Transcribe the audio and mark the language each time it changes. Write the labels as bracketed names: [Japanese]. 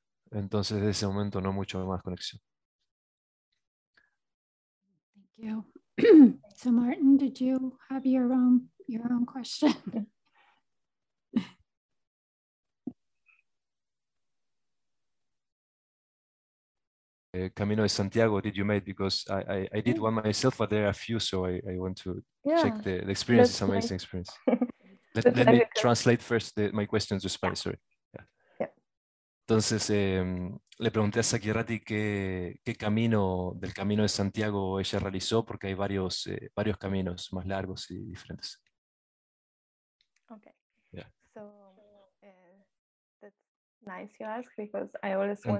[Spanish] Entonces, desde ese momento, no mucho más conexión. [English] Thank you. So, Martin, did you have your own question? Camino de Santiago, did you make? Because I did one myself, but there are a few, so I want to check the experience. It's amazing experience. let me translate first my question to Spanish. Sorry. Yeah. [Spanish] Entonces, le pregunté a Sakhya Rati qué camino del Camino de Santiago ella realizó, porque hay varios caminos más largos y diferentes. Okay. Yeah. [English] So that's nice you ask, because I always want.